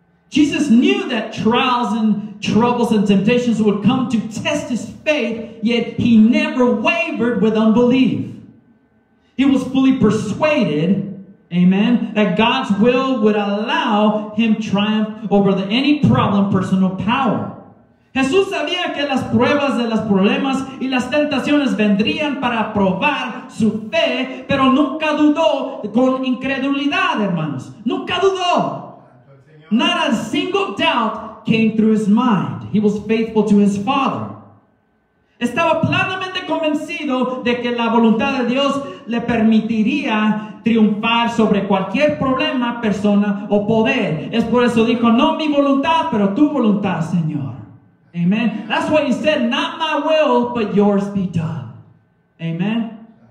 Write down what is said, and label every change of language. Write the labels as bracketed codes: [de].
[en] Jesus knew that trials and troubles and temptations would come to test his faith, yet he never wavered with unbelief. He was fully persuaded, amen, that God's will would allow him triumph over any problem, personal power. [es] Jesús sabía que las pruebas de los problemas y las tentaciones vendrían para probar su fe, pero nunca dudó con incredulidad, hermanos. Nunca dudó. [en] Not a single doubt came through his mind. He was faithful to his Father. [es] Estaba plenamente convencido de que la voluntad de Dios le permitiría triunfar sobre cualquier problema, persona o poder. Es por eso dijo, no mi voluntad, pero tu voluntad, Señor. Amen. [en] That's what he said, not my will, but yours be done. Amen.